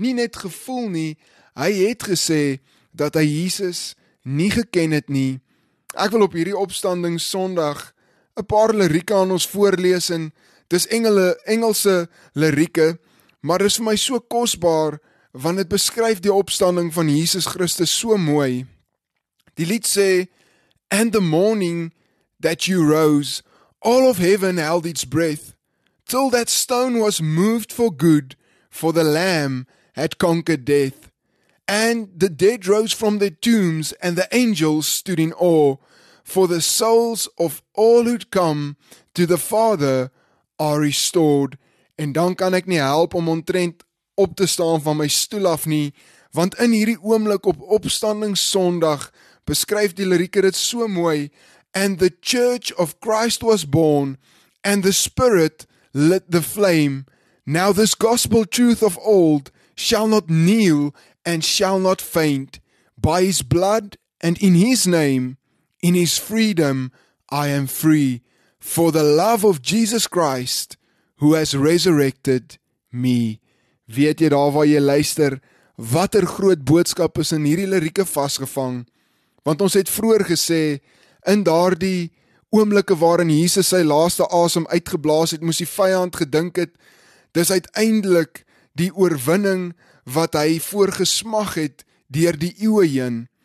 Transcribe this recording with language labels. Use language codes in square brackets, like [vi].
[af] Nie net gevoel nie, hy het gesê dat hy Jesus nie geken het nie. Ek wil op hierdie opstanding Sondag 'n paar lirieke aan ons voorlees en dis Engelse lirieke, maar dis vir my so kosbaar, want het beskryf die opstanding van Jesus Christus so mooi. Die lied sê, [en] "And the morning that you rose, all of heaven held its breath, till that stone was moved for good, for the Lamb had conquered death. And the dead rose from their tombs, and the angels stood in awe, for the souls of all who'd come to the Father are restored." [af] En dan kan ek nie help om omtrent op te staan van my stoel af nie, want in hierdie oomblik op opstanding Sondag beskryf die lirieke dit so mooi, [en] "And the church of Christ was born, and the Spirit lit the flame. Now this gospel truth of old shall not kneel and shall not faint. By his blood and in his name, in his freedom, I am free. For the love of Jesus Christ, who has resurrected me." [af] Weet jy daar waar jy luister, watter groot boodskap is in hierdie lirieke vasgevang? Want ons het vroeër gesê, in daardie oomblikke waarin Jesus sy laaste asem uitgeblaas het, moes die vyand gedink het, dis uiteindelik die oorwinning wat hy voorgesmag het deur die eeue heen.